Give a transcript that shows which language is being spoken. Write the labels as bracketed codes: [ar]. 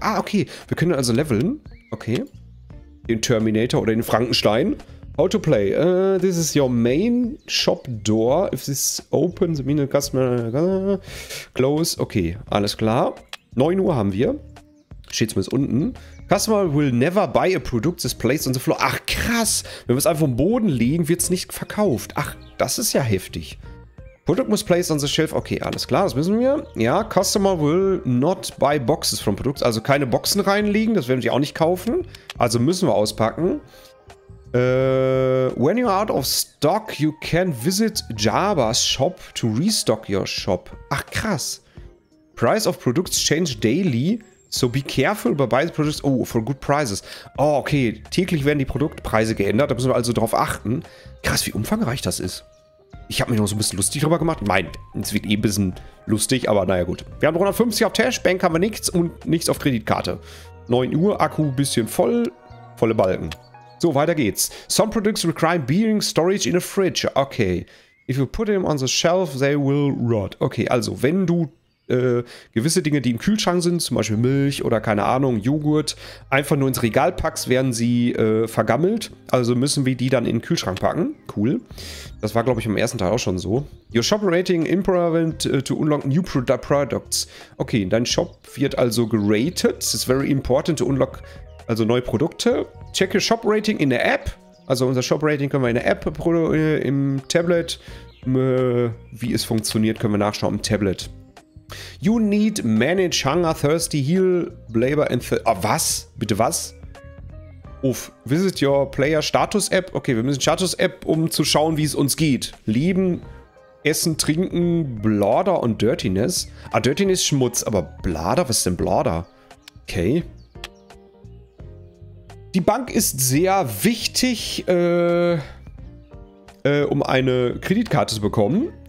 [de] Ah, okay. Wir können also leveln. Okay. Den Terminator oder den Frankenstein. [en] How to play. This is your main shop door. If this opens, the minute customer... Close. [de] Okay, alles klar. 9 Uhr haben wir. Steht zumindest unten. [en] Customer will never buy a product that's placed on the floor. [de] Ach, krass. Wenn wir es einfach am Boden legen, wird es nicht verkauft. Ach, das ist ja heftig. [en] Product must place on the shelf. [de] Okay, alles klar, das wissen wir. [en] Ja, customer will not buy boxes from products. [de] Also keine Boxen reinlegen, das werden sie auch nicht kaufen. Also müssen wir auspacken. [en] When you're out of stock, you can visit Jabba's shop to restock your shop. [de] Ach, krass. [en] Price of products change daily, so be careful by buying products. Oh, for good prices. Oh, okay, [de] täglich werden die Produktpreise geändert. Da müssen wir also drauf achten. Krass, wie umfangreich das ist. Ich habe mich noch so ein bisschen lustig drüber gemacht. Nein, es wird eh ein bisschen lustig, aber naja gut. Wir haben 150 auf Cash, Bank haben wir nichts und nichts auf Kreditkarte. 9 Uhr, Akku bisschen voll, volle Balken. So, weiter geht's. [en] Some products require being storage in a fridge. Okay. If you put them on the shelf, they will rot. [de] Okay, also wenn du gewisse Dinge, die im Kühlschrank sind, zum Beispiel Milch oder keine Ahnung, Joghurt, einfach nur ins Regal packst, werden sie vergammelt. Also müssen wir die dann in den Kühlschrank packen. Cool. Das war, glaube ich, im ersten Teil auch schon so. [en] Your shop rating improvement to unlock new products. [de] Okay, dein Shop wird also geratet. [en] It's very important to unlock [de] also neue Produkte. [en] Check your shop rating [de] in der App. Also unser Shop Rating können wir in der App, im Tablet. Wie es funktioniert, können wir nachschauen im Tablet. [en] You need manage hunger, thirsty, heal, labor and was? [de] Bitte was? [en] Uff, visit your player Status App. [de] Okay, wir müssen Status App, um zu schauen, wie es uns geht. Leben, Essen, Trinken, Blader und Dirtiness. Ah, Dirtiness ist Schmutz, aber Blader? Was ist denn Blader? Okay. Die Bank ist sehr wichtig, um eine Kreditkarte zu bekommen.